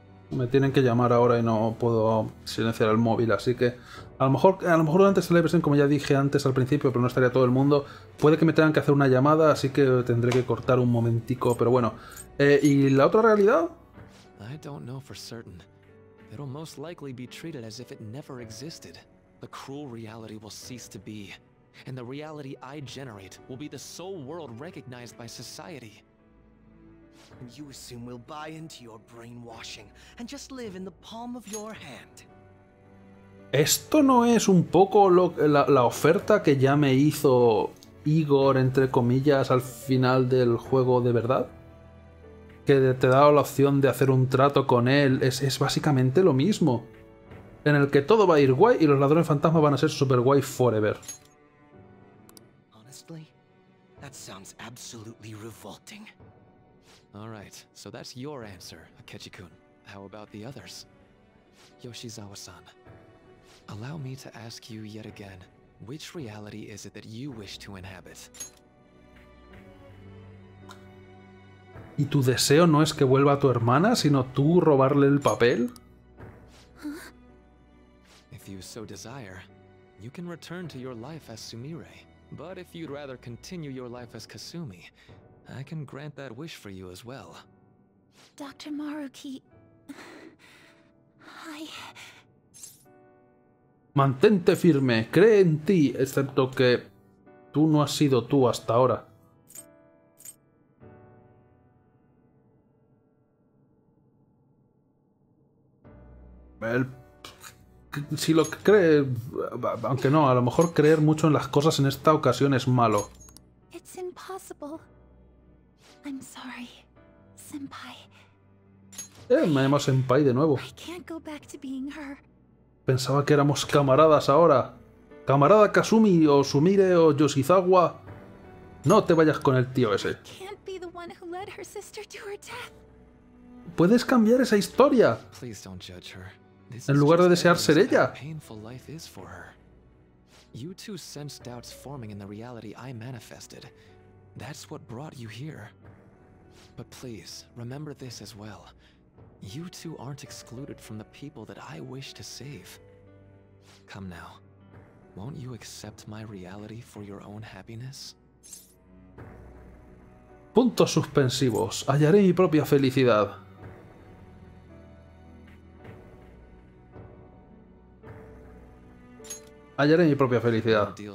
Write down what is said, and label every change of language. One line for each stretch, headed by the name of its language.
Spanish: Me tienen que llamar ahora y no puedo silenciar el móvil, así que... A lo mejor durante esta celebración, como ya dije antes al principio, pero no estaría todo el mundo, puede que me tengan que hacer una llamada, así que tendré que cortar un momentico, pero bueno. ¿Y la otra realidad?
English: I don't know for certain. It'll most likely be treated as if it never existed. The cruel reality will cease to be. And the reality I generate will be the sole world recognized by society. And you assume we'll buy into your brainwashing and just live in the palm of your hand.
Spanish: ¿Esto no es un poco la oferta que ya me hizo Igor, entre comillas, al final del juego de verdad? que te da la opción de hacer un trato con él. Es básicamente lo mismo. En el que todo va a ir guay y los ladrones fantasmas van a ser super guay forever.
English: Honestly, that sounds absolutely revolting. All right, so that's your answer, Akechi-kun. How about the others? Yoshizawa-san, allow me to ask you yet again, which reality is it that you wish to inhabit?
Spanish: ¿Y tu deseo no es que vuelva tu hermana, sino tú robarle el papel?
English: If you so desire, you can return to your life as Sumire. But if you'd rather continue your life as Kasumi, I can grant that wish for you as well. Dr. Maruki... Hi.
Spanish: Mantente firme, cree en ti, excepto que tú no has sido tú hasta ahora. El... Si lo cree, aunque no, a lo mejor creer mucho en las cosas en esta ocasión es malo.
English: It's impossible. I'm sorry, senpai.
Spanish: Me llamo senpai de nuevo.
English: I can't go back to being her.
Spanish: Pensaba que éramos camaradas ahora. Camarada Kasumi o Sumire o Yoshizawa. No te vayas con el tío ese.
English: I can't be the one who led her sister to her death.
Spanish: Puedes cambiar esa historia.
English: Please don't judge her.
Spanish: En lugar de desear ser ella.
English: Painful life is for her. You two sense doubts forming in the reality I manifested. That's what brought you here. But please, remember this as well. You two aren't excluded from the people that I wish to save. Come now. Won't you accept my reality for your own happiness?
Spanish: Puntos suspensivos. Hallaré mi propia felicidad. Hallaré mi propia felicidad.